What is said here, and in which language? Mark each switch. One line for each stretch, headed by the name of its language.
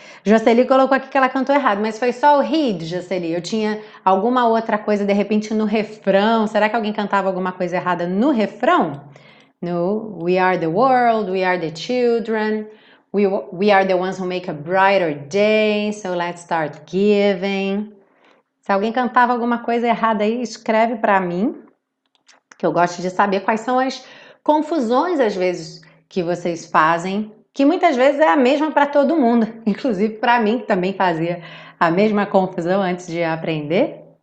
Portuguese: Jocely colocou aqui que ela cantou errado, mas foi só o read, Jocely. Eu tinha alguma outra coisa de repente no refrão. Será que alguém cantava alguma coisa errada no refrão?
English: No, we are the world, we are the children, we are the ones who make a brighter day, so let's start giving.
Portuguese: Se alguém cantava alguma coisa errada aí, escreve para mim, que eu gosto de saber quais são as confusões, às vezes, que vocês fazem, que muitas vezes é a mesma para todo mundo, inclusive para mim, que também fazia a mesma confusão antes de aprender.